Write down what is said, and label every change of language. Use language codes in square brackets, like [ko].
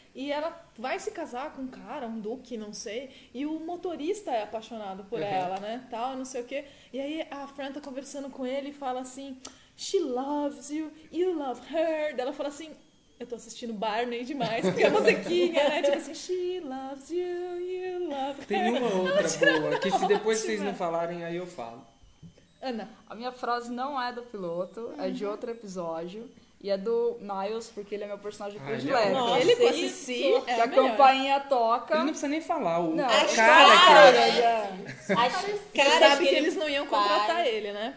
[pt] E ela vai se casar com um cara, um duque, não sei. E o motorista é apaixonado por ela, né? Tal, não sei o quê. E aí a Fran tá conversando com ele e fala assim, [en] she loves you, you love her. [pt] Daí ela fala assim, eu tô assistindo Barney demais, porque é musiquinha, né? Tipo assim, [en] she loves you, you love her. [pt] Tem uma outra boa, que se depois vocês não falarem, aí eu falo. Ana, a minha frase não é do piloto, é de outro episódio. E é do Niles, porque ele é meu personagem predileto. Nossa, ele com a Cici, que a campainha toca. Ele não precisa nem falar. Cara. Cara, sabe que eles não iam contratar ele, né?